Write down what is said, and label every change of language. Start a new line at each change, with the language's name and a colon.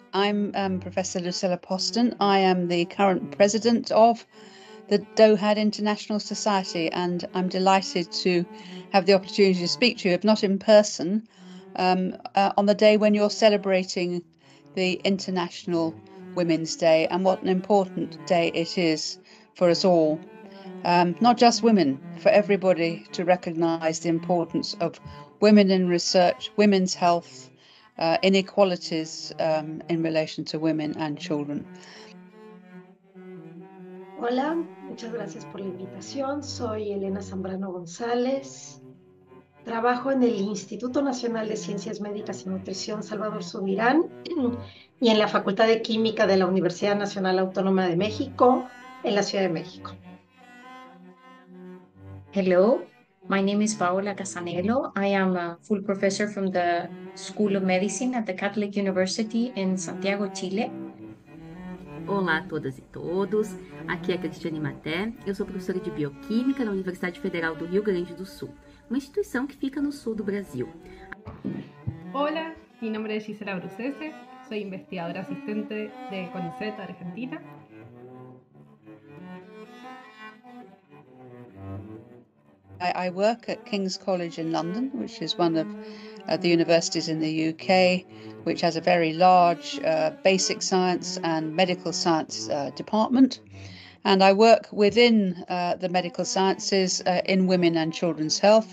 English: I'm Professor Lucilla Poston. I am the current president of the Dohad International Society, and I'm delighted to have the opportunity to speak to you, if not in person, on the day when you're celebrating the International Women's Day, and what an important day it is for us all. Not just women, for everybody to recognise the importance of women in research, women's health, inequalities in relation to women and children.
Spanish: Hola, muchas gracias por la invitación. Soy Elena Zambrano González. Trabajo en el Instituto Nacional de Ciencias Médicas y Nutrición Salvador Subirán y en la Facultad de Química de la Universidad Nacional Autónoma de México en la Ciudad de México.
English: Hello, my name is Paola Casanello. I am a full professor from the School of Medicine at the Catholic University in Santiago, Chile.
Portuguese: Olá a todas e todos. Aqui é a Cristiane Maté. Eu sou professora de Bioquímica na Universidade Federal do Rio Grande do Sul, uma instituição que fica no sul do Brasil.
Spanish: Hola, mi nombre es Gisela Brucese. Soy investigadora asistente de CONICET Argentina.
English: I work at King's College in London, which is one of the universities in the UK, which has a very large basic science and medical science department. And I work within the medical sciences in women and children's health.